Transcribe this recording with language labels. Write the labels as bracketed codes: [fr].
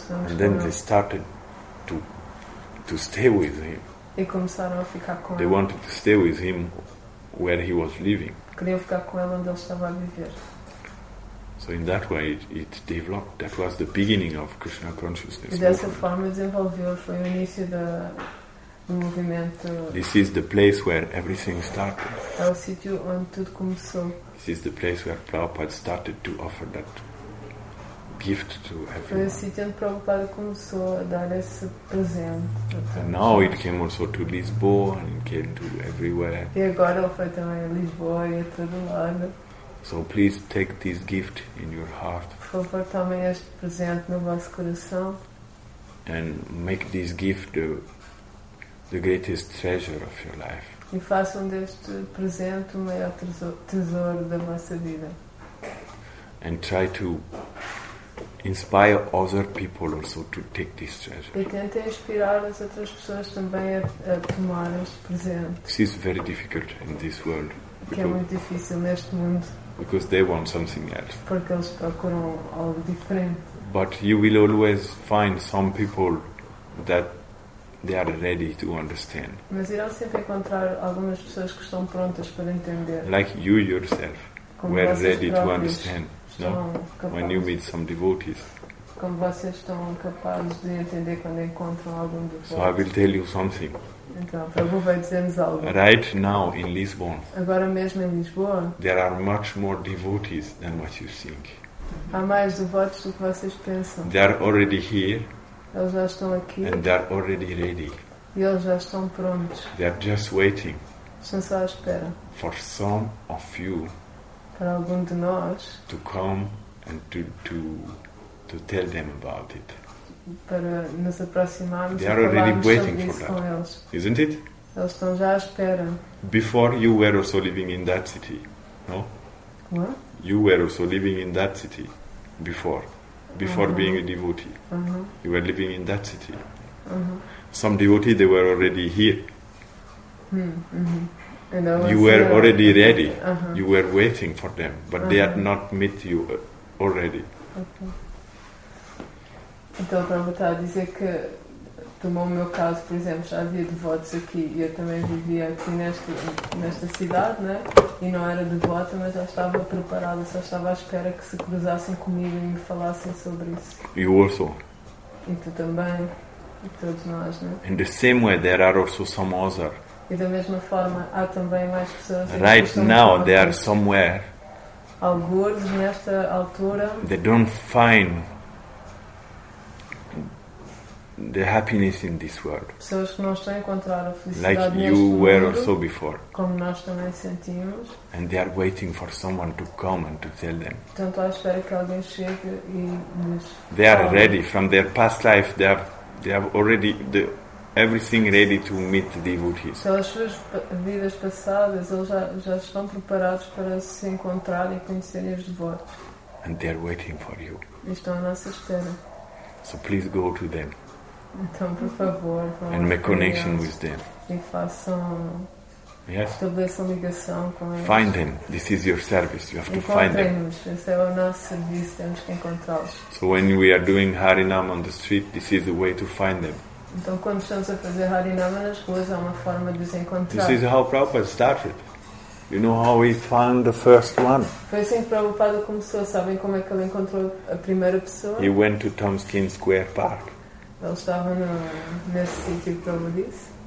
[en] And then they started to stay with him. [pt] E começaram a ficar com [en] they Wanted to stay with him where he was living. [pt] Queriam ficar com ele onde ele estava a viver. [en] So in that way it developed. That was the beginning of Krishna consciousness. [pt] E dessa forma desenvolveu, foi o início do movimento. [en] This is the place where everything started. [pt] É o sítio onde tudo começou. [en] This is the place where Prabhupada started to offer that gift to everyone. [pt] Foi o sítio onde Prabhupada começou a dar esse presente. [en] And now it came also to Lisboa and it came to everywhere. [pt] E agora foi também a Lisboa e a todo lado. [en] So please take this gift in your heart. [pt] Por favor, tomem este presente no vosso coração. [en] And make this gift the greatest treasure of your life. [pt] E façam deste presente o maior tesouro da vossa vida. [en] And try to inspire other people also to take this treasure. [pt] E tentem inspirar as outras pessoas também a tomar este presente. [en] This is very difficult in this world. [pt] Que é muito difícil neste mundo. [en] Because they want something else. [pt] Porque eles procuram algo diferente. [en] But you will always find some people that they are ready to understand. [pt] Mas irão sempre encontrar algumas pessoas que estão prontas para entender. [en] Like you yourself, [pt] como [en] were ready to understand. No? When you meet some devotees. [pt] Como vocês estão capazes de entender quando encontram algum devoto. [en] So I will tell you something. [pt] Então, Prabhu vai dizer-nos algo. [en] Right now in Lisbon. [pt] Agora mesmo em Lisboa. [en] There are much more devotees than what you think. [pt] Há mais devotos do que vocês pensam. [en] They are already here. [pt] Eles já estão aqui. [en] And they are already ready. [pt] E eles já estão prontos. [en] They are just waiting. [pt] Estão só à espera. [en] For some of you. [pt] Para algum de nós. [en] To come and to tell them about it. [pt] Para nos aproximarmos. [en] They are already waiting for that. [pt] Eles. [en] Isn't it? [pt] Eles estão já à espera. [en] Before you were also living in that city, no? What? You were also living in that city before. Before uh-huh. being a devotee. Uh-huh. You were living in that city. Uh-huh. Some devotees, they were already here. Mm-hmm. And you were there. Already ready. Uh-huh. You were waiting for them. But uh-huh. they had not met you already. Okay. [pt] Então, para voltar a dizer que, tomou o meu caso, por exemplo, já havia devotos aqui. E eu também vivia aqui nesta cidade, né? E não era devota, mas já estava preparada. Só estava à espera que se cruzassem comigo e me falassem sobre isso. [en] You also. [pt] E tu também. E todos nós, né? [en] In the same way, there are also some other. [pt] E da mesma forma, há também mais pessoas. [en] Right now, there are somewhere. [pt] Alguns, nesta altura. [en] They don't find the happiness in this world. [pt] Pessoas que não estão a encontrar a felicidade [en] like [pt] neste [en] you were [pt] mundo, [en] also before. [pt] Como nós também sentimos. [en] And they are waiting for someone to come and to tell them. [pt] Tanto à espera que alguém chegue e nos. [en] They are ready from their past life. They have already the everything ready to meet the devotees. [pt] Pelas suas vidas passadas, eles já estão preparados para se encontrar e conhecerem os devotos. [en] And they are waiting for you. [pt] E estão à nossa espera. [en] So please go to them. [pt] Então, por favor, vão [en] and make connection with them. [pt] E façam. [en] Yes. [pt] Estabeleçam ligação com eles. [en] Find them. This is your service. You have to find them. [pt] Encontrem-nos. Esse é o nosso serviço. Temos que encontrá-los. [en] So when we are doing Harinam on the street, this is the way to find them. [pt] Então, quando estamos a fazer Harinam nas ruas, é uma forma de os encontrar. [en] This is how Prabhupada started. You know how he found the first one? [pt] Foi assim que Prabhupada começou. Sabem como é que ele encontrou a primeira pessoa? [en] He went to Tompkins Square Park. [pt] Ele estava nesse sítio que eu disse.